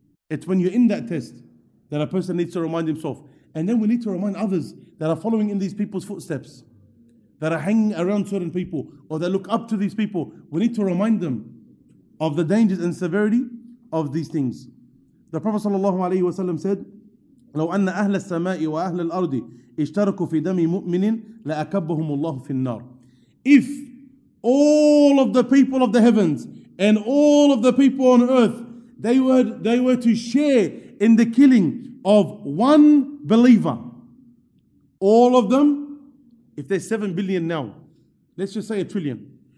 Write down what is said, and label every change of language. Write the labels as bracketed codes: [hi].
[en] It's when you're in that test that a person needs to remind himself. And then we need to remind others that are following in these people's footsteps, that are hanging around certain people, or that look up to these people. We need to remind them of the dangers and severity of these things. The Prophet sallallahu alayhi wasallam said, [ar] لو أن أهل السماء وأهل الأرض اشتركوا في دم مؤمن لأكبهم الله في النار. [en] If all of the people of the heavens and all of the people on earth, they were to share in the killing of one believer, all of them, if there's 7 billion now, let's just say a trillion.